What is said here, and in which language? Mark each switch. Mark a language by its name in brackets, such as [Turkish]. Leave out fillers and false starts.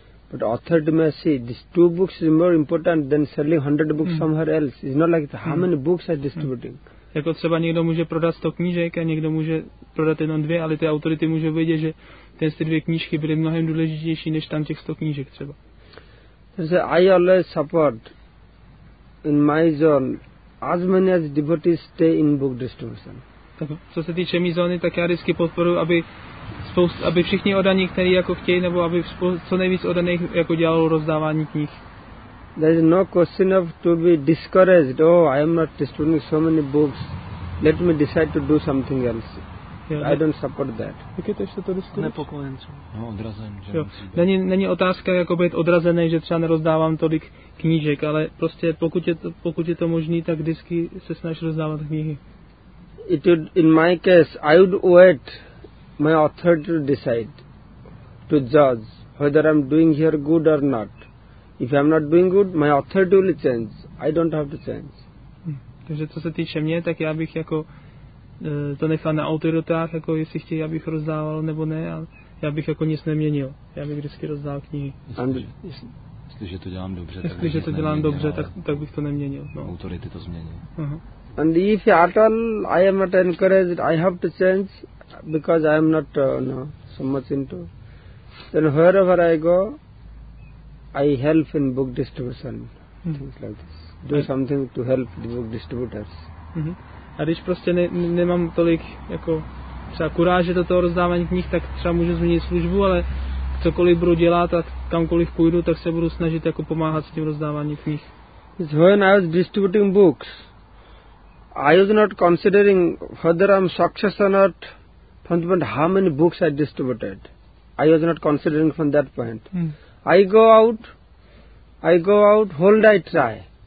[English] But author may see, these 2 books is more important than selling 100 books somewhere else. It's not like it's how many books are distributing. [Czech] Jako třeba někdo může prodat 100 knížek a někdo může prodat jenom 2, ale ty autority může vědět, že ty 2 knížky byly mnohem důležitější než tam těch 100 knížek třeba. [English] So I always support in my zone as many as devotees stay in book distribution. [Czech] Tak co se týče mý zóny, tak já vždycky podporuji, aby všichni odaní, kteří jako chtějí, nebo aby co nejvíc odaných jako dělalo rozdávání knih. [English] There is no question of to be discouraged. Oh, I am not distributing so many books. Let me decide to do something else. Yeah, I don't support that. [Czech] Jak je to ještě to diskuse? Nepokojen. No, odrazen. Není otázka jako být odrazený, že třeba nerozdávám tolik knížek, ale prostě pokud je to možný, tak vždycky se snaž rozdávat knihy. [English] It would, in my case, I would wait my authority to decide, to judge whether I'm doing here good or not. If I'm not doing good, my authority will change. I don't have to change. [Czech] Takže co se týče mě, tak já bych jako to nechal na autoritách, jako jestli chtějí, abych rozdával nebo ne, ale já bych jako nic neměnil. Já bych vždycky rozdál knihy. Jestliže to dělám dobře, tak bych to neměnil. No. Autority to změní. [English] And if at all I am not encouraged, I have to change because I am not so much into. Then wherever I go, I help in book distribution, things like this. Do something to help the book distributors. Mm-hmm. [Czech] A když prostě nemám tolik jako třeba kuráže do toho rozdávání knih, tak třeba můžu změnit službu, ale cokoliv budu dělat a kamkoliv půjdu, tak se budu snažit jako pomáhat s tím rozdáváním knih. [English] When I was distributing books, I was not considering whether I'm successful or not, from how many books I distributed. I was not considering from that point. I go out, whole day try.